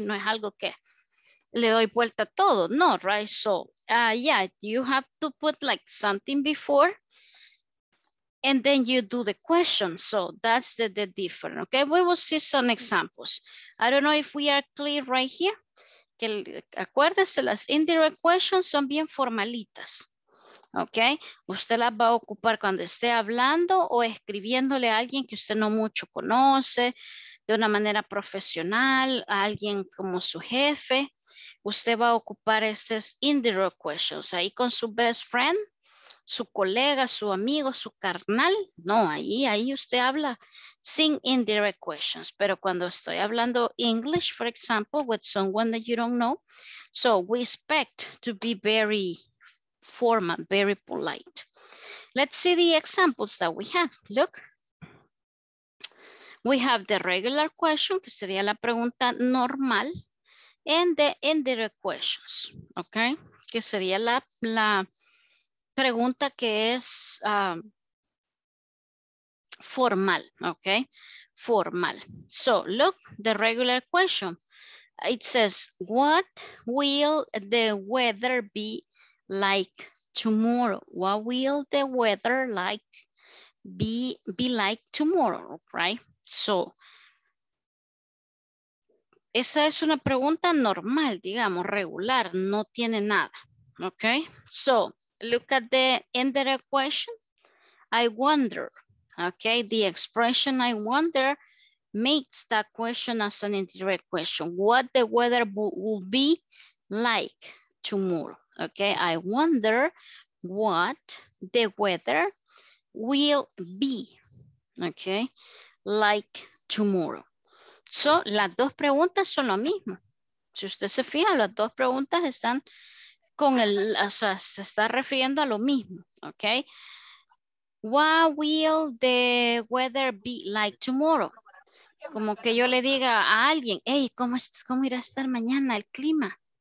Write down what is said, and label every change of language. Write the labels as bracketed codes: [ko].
[es] No es algo que le doy vuelta a todo, no, [en] right? So, yeah, you have to put like something before and then you do the question. So that's the difference, okay? We will see some examples. I don't know if we are clear right here. [es] Que acuérdese, las indirect questions son bien formalitas. Ok, usted las va a ocupar cuando esté hablando o escribiéndole a alguien que usted no mucho conoce, de una manera profesional, a alguien como su jefe. Usted va a ocupar estas indirect questions, ahí con su [en] best friend, [es] su colega, su amigo, su carnal. No, ahí usted habla sin indirect questions. Pero cuando estoy hablando [en] English, for example, with someone that you don't know, so we expect to be very format, very polite. Let's see the examples that we have. Look, we have the regular question, [es] que sería la pregunta normal, [en] and the indirect questions, okay? [es] Que sería la pregunta que es formal, okay? [en] Formal. So look, the regular question. It says, what will the weather be like tomorrow? What will the weather like be like tomorrow, right? [es] So esa es una pregunta normal, digamos, regular, no tiene nada, okay? [en] So look at the indirect question. I wonder, okay? The expression I wonder makes that question as an indirect question. What the weather will be like tomorrow. Okay, I wonder what the weather will be, okay, like tomorrow. [es] So, las dos preguntas son lo mismo. Si usted se fija, las dos preguntas están con el, o sea, se está refiriendo a lo mismo, okay. [en] What will the weather be like tomorrow? [es] Como que yo le diga a alguien, hey, ¿cómo irá a estar mañana el clima?